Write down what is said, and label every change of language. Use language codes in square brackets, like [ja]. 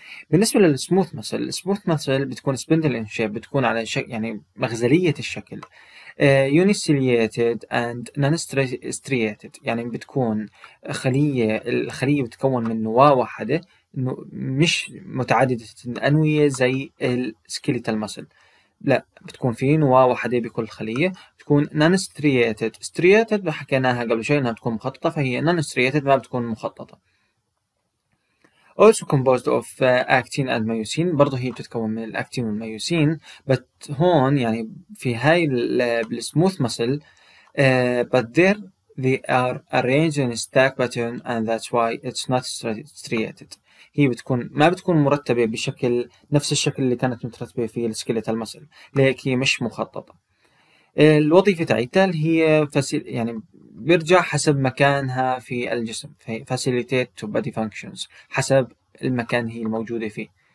[ar] بالنسبة للسموث مسل، السموث مسل بتكون سبندل ان شيب، بتكون على شكل يعني مغزلية الشكل، [en] unicellulated and non-striated، [ar] يعني بتكون خلية، الخلية بتكون من نواة واحدة مش متعددة الأنوية زي السكيليتال مسل، لا بتكون في نواة واحدة بكل خلية. بتكون non-striated، striated حكيناها قبل شوي انها بتكون مخططة، فهي non-striated ما بتكون مخططة. [en] also composed of actin and myosin، [ar] برضه هي بتتكون من الاكتين والميوسين، [en] but [ar] هون يعني في هاي السموث مسل [en] but there they are arranged in stack pattern and that's why it's not striated. [ar] هي بتكون ما بتكون مرتبه بشكل نفس الشكل اللي كانت مترتبه فيه السكيلتال مسل، لهيك هي مش مخططه. الوظيفه تاعتها هي يعني بيرجع حسب مكانها في الجسم، في [en] facilitate to body functions, [ar] حسب المكان هي الموجوده فيه.